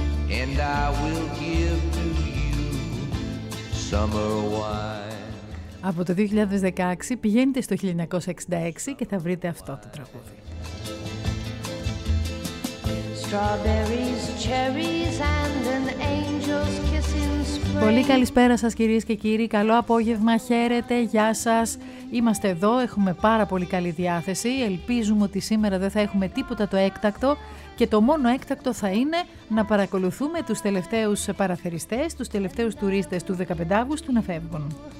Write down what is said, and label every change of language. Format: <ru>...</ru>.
<en>And I will give to you summer wine.</en> <el>Από το 2016 πηγαίνετε στο 1966 και θα βρείτε αυτό το τραγούδι.</el> <en>Strawberries, cherries and an angel's kiss in spring.</en> <el>Πολύ καλησπέρα σας κυρίες και κύριοι, καλό απόγευμα, χαίρετε, γεια σας. Είμαστε εδώ, έχουμε πάρα πολύ καλή διάθεση. Ελπίζουμε ότι σήμερα δεν θα έχουμε τίποτα το έκτακτο. Και το μόνο έκτακτο θα είναι να παρακολουθούμε τους τελευταίους παραθεριστές, τους τελευταίους τουρίστες του 15 Αυγούστου να φεύγουν.</el>